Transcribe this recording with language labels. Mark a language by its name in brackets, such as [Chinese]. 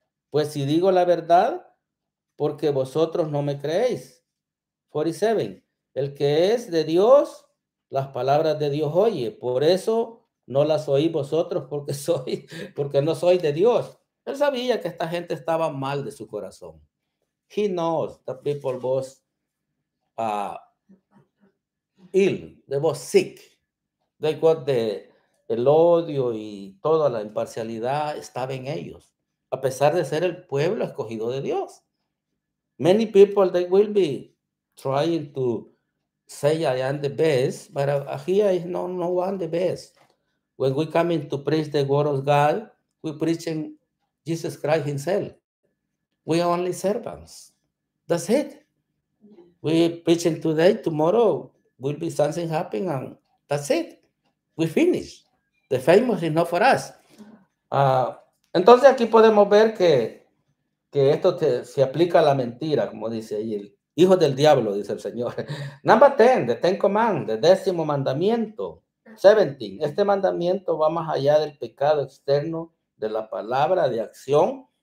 [Spanish] Pues si digo la verdad, porque vosotros no me creéis. 47, el que es de Dios, las palabras de Dios oye, por eso no las oís vosotros, porque no soy de Dios. Él sabía que esta gente estaba mal de su corazón. [English] He knows the people was ill, they were sick. They got [Spanish] el odio y toda la imparcialidad estaba en ellos, a pesar de ser el pueblo escogido de Dios. [English] Many people, they will be trying to say I am the best, but here is no one the best. When we come in to preach the word of God, we preach in Jesus Christ himself. We are only servants. That's it. We preaching today, tomorrow will be something happening, and that's it. We finish. The famous is not for us. [Spanish] Entonces aquí podemos ver que esto se aplica a la mentira, como dice ahí, el hijo del diablo, dice el Señor. [English] Number 10, the Ten Command, the [Spanish] décimo mandamiento. 17, este mandamiento va más allá del pecado externo, de la palabra, de acción,